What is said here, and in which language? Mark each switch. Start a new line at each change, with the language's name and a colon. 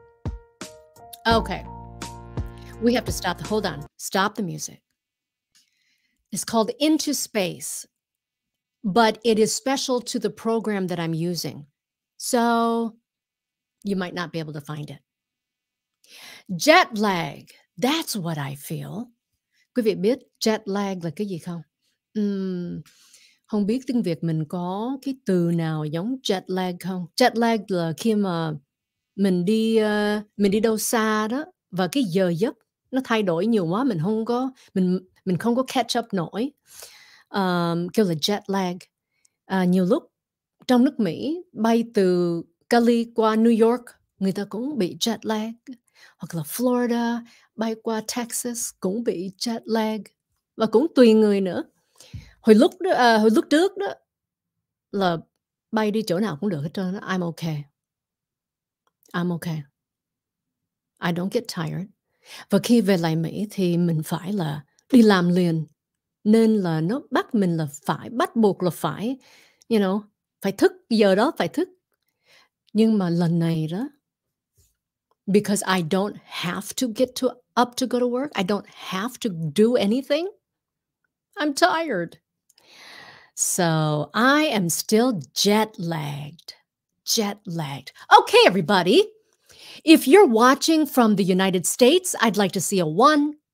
English: Mm-hmm. Okay. We have to stop. Hold on. Stop the music. It's called Into Space, but it is special to the program that I'm using. So you might not be able to find it. Jet lag. That's what I feel.
Vietnamese: Quý vị biết jet lag là cái gì không? Không biết tiếng Việt mình có cái từ nào giống jet lag không? Jet lag là khi mà mình đi đâu xa đó và cái giờ giấc nó thay đổi nhiều quá, mình không có catch up nổi. Kêu là jet lag. Nhiều lúc trong nước Mỹ bay từ Cali qua New York, người ta cũng bị jet lag. Hoặc là Florida, bay qua Texas cũng bị jet lag. Và cũng tùy người nữa. Hồi lúc trước đó là bay đi chỗ nào cũng được hết trơn.
English: I'm okay. I don't get tired.
Vietnamese: Và khi về lại Mỹ thì mình phải là đi làm liền. Nên là nó bắt mình là phải, bắt buộc là phải, you know, phải thức, giờ đó phải thức. Nhưng mà lần này đó,
English: because I don't have to get to up to go to work, I don't have to do anything, I'm tired. So I am still jet lagged. Okay, everybody. If you're watching from the United States, I'd like to see a one.